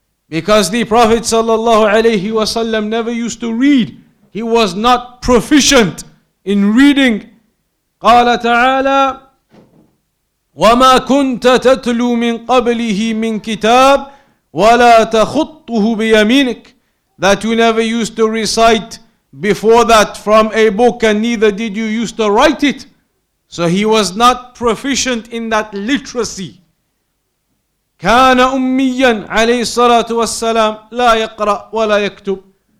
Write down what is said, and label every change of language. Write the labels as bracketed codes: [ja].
[en] Because the Prophet صلى الله عليه وسلم never used to read. He was not proficient in reading. [ar] قال تعالى وما كنت تتلو من قبله من كتاب ولا تخطه بيمينك. [en] That you never used to recite before that from a book, and neither did you used to write it. So he was not proficient in that literacy. [ar] كان أميا عليه الصلاة والسلام لا يقرأ ولا يكتب.